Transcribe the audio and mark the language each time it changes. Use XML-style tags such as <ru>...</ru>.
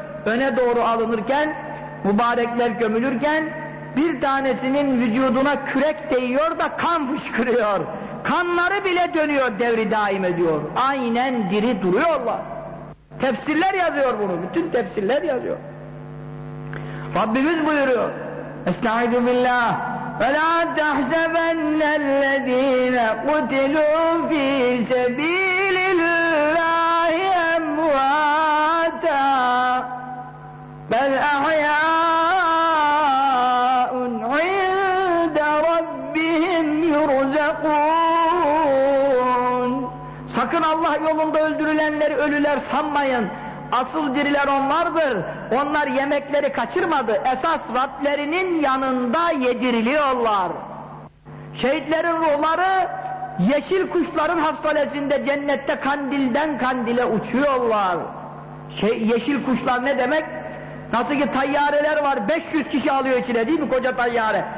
<tr>Öne doğru alınırken, mübarekler gömülürken bir tanesinin vücuduna kürek değiyor da kan fışkırıyor. Kanları bile dönüyor, devri daim ediyor. Aynen diri duruyorlar. Tefsirler yazıyor bunu, bütün tefsirler yazıyor. Rabbimiz buyuruyor. Estaizu billah.</tr> <ar>وَلَا تَحْسَبَنَّ الَّذ۪ينَ قُتِلُوا ف۪ي سَب۪يلِ اللّٰهِ اَمْوَاتًا بَلْ اَحْيَاءٌ عِنْدَ رَبِّهِمْ يُرْزَقُونَ</ar> <tr>Sakın Allah yolunda öldürülenleri ölüler sanmayın. Asıl diriler onlardır. Onlar yemekleri kaçırmadı. Esas Rablerinin yanında yediriliyorlar. Şehitlerin ruhları yeşil kuşların hafsalesinde cennette kandilden kandile uçuyorlar. Yeşil kuşlar ne demek? Nasıl ki tayyareler var, 500 kişi alıyor içine değil mi koca tayyare?</tr>